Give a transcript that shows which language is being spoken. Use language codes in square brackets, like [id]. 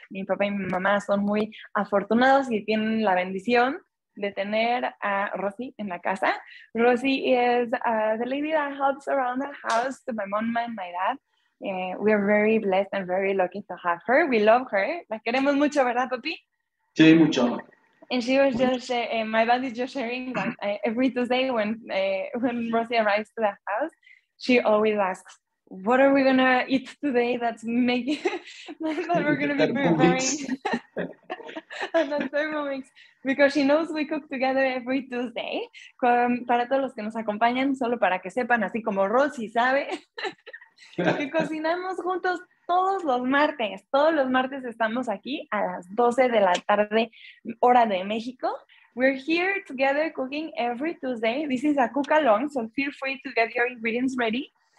[es] Mi papá y mi mamá son muy afortunados y tienen la bendición de tener a Rosy en la casa. [en] Rosy is the lady that helps around the house, my mom and my dad. We are very blessed and very lucky to have her. We love her. [es] La queremos mucho, ¿verdad, papi? Sí, mucho. [en] And she was just, my dad is just sharing that every Tuesday when Rosy arrives to the house, she always asks, what are we going to eat today that's making, that we're going to be preparing? And the Thermomix, because she knows we cook together every Tuesday. [es] Para todos los que nos acompañan, solo para que sepan, así como Rosy sabe, que cocinamos juntos todos los martes. Todos los martes estamos aquí a las 12 de la tarde, hora de México. [en] We're here together cooking every Tuesday. This is a cook along, so feel free to get your ingredients ready.